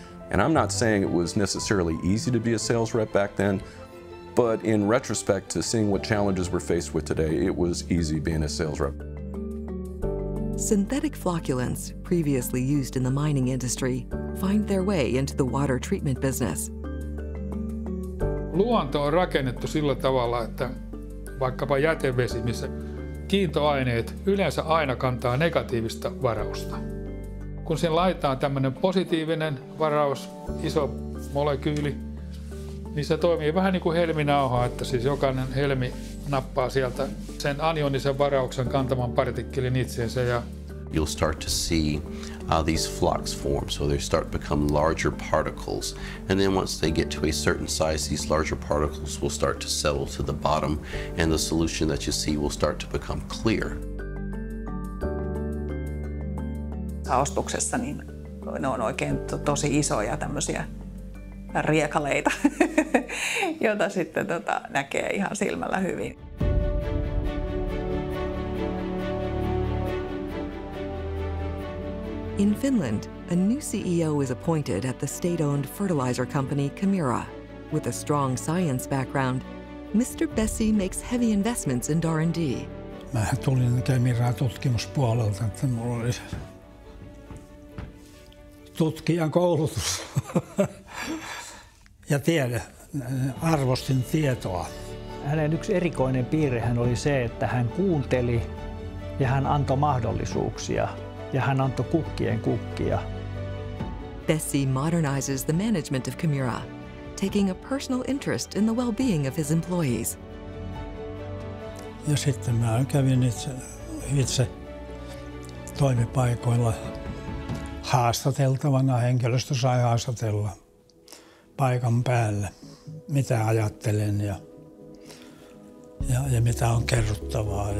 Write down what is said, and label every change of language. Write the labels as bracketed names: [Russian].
[English] And I'm not saying it was necessarily easy to be a sales rep back then, but in retrospect to seeing what challenges we're faced with today, it was easy being a sales rep. Synthetic flocculants, previously used in the mining industry, find their way into the water treatment business. [Finnish] Luonto on rakennettu sillä tavalla, että vaikkapa jätevesi, missä kiintoaineet yleensä aina kantaa negatiivista varausta. Kun sen laitetaan tämmöinen positiivinen varaus, iso molekyyli, niin se toimii vähän niin kuin helminauha, että siis jokainen helmi nappaa sieltä sen anionisen varauksen kantaman partikkelin itseensä. Ja [English] you'll start to see these flocks form, so they start to become larger particles. And then once they get to a certain size, these larger particles will start to settle to the bottom, and the solution that you see will start to become clear. [Finnish] Saostuksessa niin ne on oikein tosi isoja tämmöisiä riekaleita, joita sitten näkee ihan silmällä hyvin. [English] In Finland, a new CEO is appointed at the state-owned fertilizer company Kemira. With a strong science background, Mr. Bessie makes heavy investments in R&D. [Finnish] Mä tulin Kemiraa tutkimuspuolelta, että mulla oli tutkijan koulutus ja tiede, arvostin tietoa. Hänen yksi erikoinen piirre hän oli se, että hän kuunteli ja hän antoi mahdollisuuksia. Ja hän antoi kukkien kukkia. [English] Bessie modernizes the management of Kemira, taking a personal interest in the well-being of his employees. [Finnish] Ja sitten mä kävin itse toimipaikoilla haastateltavana. Henkilöstö sai haastatella paikan päälle, mitä ajattelen ja mitä on kerrottavaa.